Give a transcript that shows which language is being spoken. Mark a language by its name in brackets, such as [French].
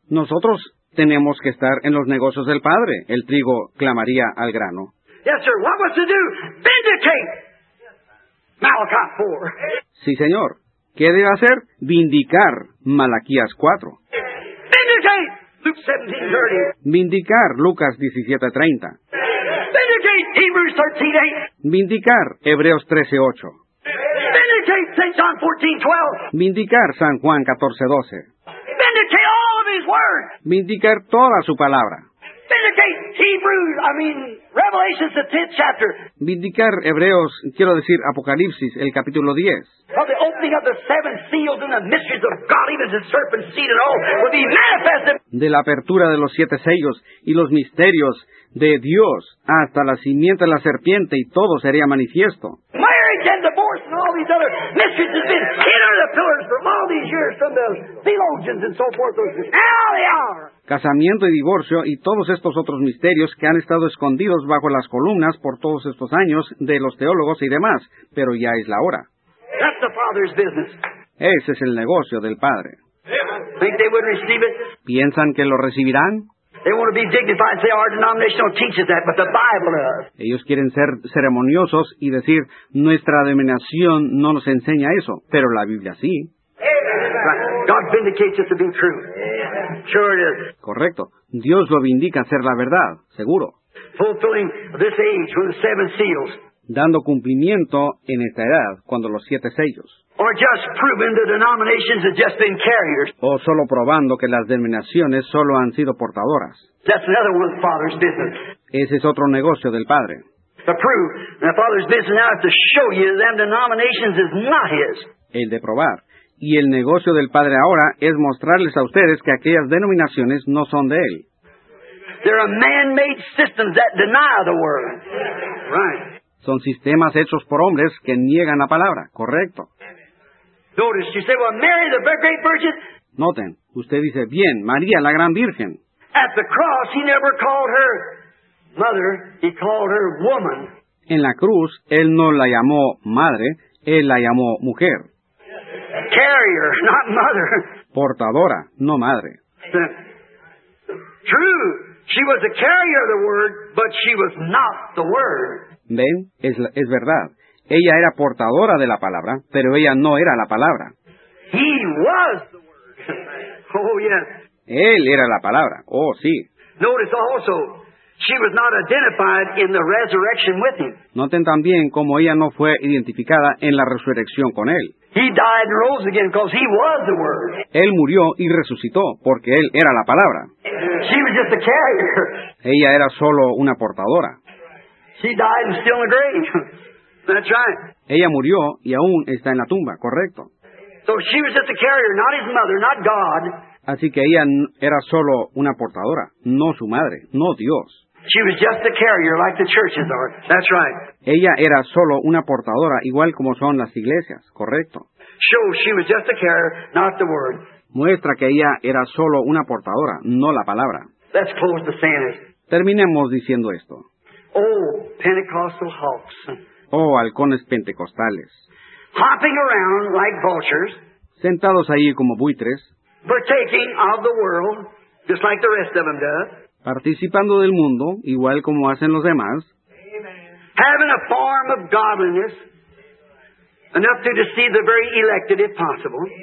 [Spanish] Nosotros tenemos que estar en los negocios del Padre. El trigo clamaría al grano. [English] Yes, sir. What was to do? Vindicate. Malachi 4. [Spanish] Sí, señor. ¿Qué debe hacer? Vindicar. Malaquías 4. [English] Vindicate. Luke 17:30. [Spanish] Vindicar. Lucas 17:30. [English] Vindicate. Hebrews 13:8. [Spanish] Vindicar. Hebreos 13:8. [English] Vindicate. St. John 14:12. [Spanish] Vindicar. San Juan 14:12. [English] Vindicate all of his words. [Spanish] Vindicar toda su palabra. [English] Vindicate Hebrews, I mean, Revelations, the 10th chapter. [Spanish] Vindicar Hebreos, quiero decir, Apocalipsis, el capítulo 10. [English] Of the opening of the seven seals and the mysteries of God, even the serpent seed and all, will be manifested. [Spanish] De la apertura de los siete sellos y los misterios de Dios, hasta la simiente de la serpiente y todo sería manifiesto. [English] Marriage and divorce and all these other mysteries have been hidden under the pillars from all these years from the theologians and so forth. Now they are. [Spanish] Casamiento y divorcio y todos estos otros misterios que han estado escondidos bajo las columnas por todos estos años de los teólogos y demás, pero ya es la hora. [English] That's the Father's business. [Spanish] Ese es el negocio del Padre. [English] Think they would receive it? [Spanish] ¿Piensan que lo recibirán? [English] They want to be dignified and say our denomination don't teach us that, but the Bible does. [Spanish] Ellos quieren ser ceremoniosos y decir nuestra denominación no nos enseña eso, pero la Biblia sí. [English] Right. God vindicates it to be true. Sure it is. [Spanish] Correcto. Dios lo vindica ser la verdad, seguro. [English] Fulfilling this age with the seven seals. [Spanish] Dando cumplimiento en esta edad, cuando los siete sellos. [English] Or just proving the denominations have just been carriers. [Spanish] O solo probando que las denominaciones solo han sido portadoras. [English] That's another one of the Father's business. [Spanish] Ese es otro negocio del Padre. [English] To prove the Father's business now is to show you them denominations is not His. [Spanish] El de probar. Y el negocio del Padre ahora es mostrarles a ustedes que aquellas denominaciones no son de Él. [English] There are man-made systems that deny the word. Right. [Spanish] Son sistemas hechos por hombres que niegan la palabra. Correcto. [English] Notice, you say, well, Mary, the great virgin. [Spanish] Noten, usted dice, bien, María, la gran virgen. [English] At the cross, he never called her mother, he called her woman. [Spanish] En la cruz, él no la llamó madre, él la llamó mujer. [English] Carrier, not mother. [Spanish] Portadora, no madre. [English] True, she was a carrier of the word, but she was not the word. [Spanish] Ven, es verdad. Ella era portadora de la palabra, pero ella no era la palabra. [English] He was the word. Oh, yes. [Spanish] Él era la palabra. Oh, sí. [English] Notice also, she was not identified in the resurrection with him. [Spanish] Noten también cómo ella no fue identificada en la resurrección con él. [English] He died and rose again because he was the word. [Spanish] Él murió y resucitó porque él era la palabra. [English] She was just a carrier. [Spanish] Ella era solo una portadora. [English] She died and still in the grave. That's right. [Spanish] Ella murió y aún está en la tumba, correcto. [English] So she was just a carrier, not his mother, not God. [Spanish] Así que ella era solo una portadora, no su madre, no Dios. [English] She was just a carrier, like the churches are. That's right. [Spanish] Ella era solo una portadora, igual como son las iglesias, correcto. [English] So she was just a carrier, not the word. [Spanish] Muestra que ella era solo una portadora, no la palabra. [English] Let's close the sentence. [Spanish] Terminemos diciendo esto. [English] Oh, Pentecostal hawks. [Spanish] Oh, halcones pentecostales. [English] Hopping around like vultures. [Spanish] Sentados ahí como buitres. [English] Partaking of the world, just like the rest of them do. [Spanish] Participando del mundo, igual como hacen los demás. [English] Amen. Having a form of godliness, enough to deceive the very elected if possible.